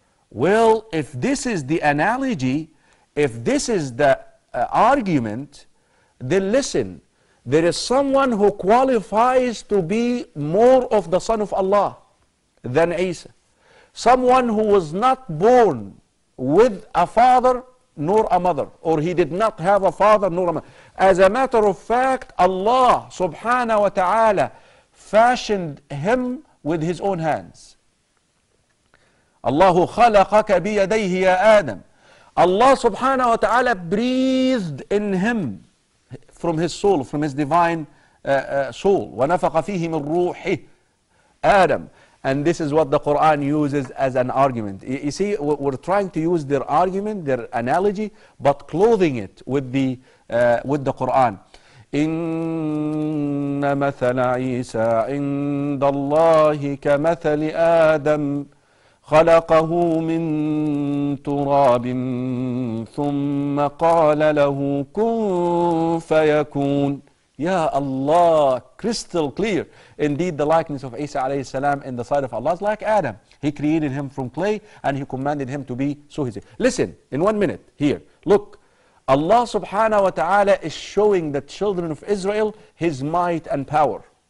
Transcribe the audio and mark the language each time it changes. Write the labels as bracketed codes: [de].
[en] Well, if this is the analogy, if this is the argument, then listen, there is someone who qualifies to be more of the Son of Allah than Isa. Someone who was not born with a father nor a mother, or he did not have a father nor a mother. As a matter of fact, Allah subhanahu wa ta'ala fashioned him with His own hands. [ar] Allah خلقك بيديه يا آدم. [en] Allah subhanahu wa ta'ala breathed in him from his soul, from his divine soul. [ar] ونفق فيه من روحه آدم. [en] And this is what the Quran uses as an argument. You see, we're trying to use their argument, their analogy, but clothing it with the Quran. [ar] إن مثل عيسى عند الله كمثل آدم خلقه من تراب ثم قال له كن فيكون. [en] Ya Allah, crystal clear. Indeed, the likeness of Isa alayhi salam in the sight of Allah is like Adam. He created him from clay and He commanded him to be, so He said. Listen, in 1 minute here, look, Allah subhanahu wa ta'ala is showing the children of Israel His might and power.